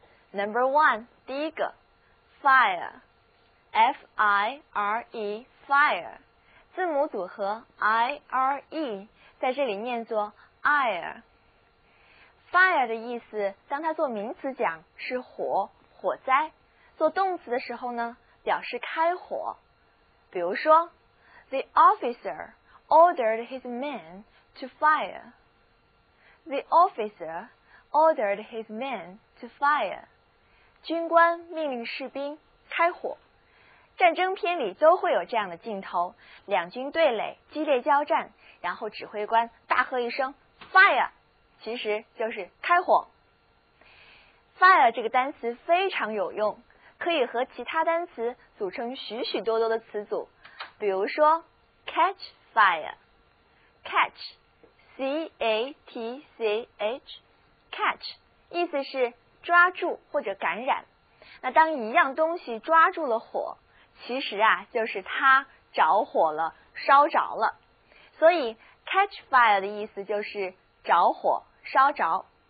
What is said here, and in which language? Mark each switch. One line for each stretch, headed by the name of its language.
English: Number one，
Chinese: 第一个 fire，F-I-R-E, fire， 字母组合 I-R-E， 在这里念作 ire。 Fire 的意思，当它做名词讲，是火、火灾，做动词的时候呢，表示开火。比如说
English: The officer ordered his men to fire，
Chinese: The officer ordered his men to fire， 军官命令士兵开火。战争片里都会有这样的镜头，两军对垒，激烈交战，然后指挥官大喝一声 fire， 其实就是开火。 fire 这个单词非常有用，可以和其他单词组成许许多多的词组，比如说 catch fire， catch C-A-T-C-H， catch 意思是抓住或者感染，那当一样东西抓住了火，其实啊就是它着火了，烧着了，所以 catch fire 的意思就是着火烧着。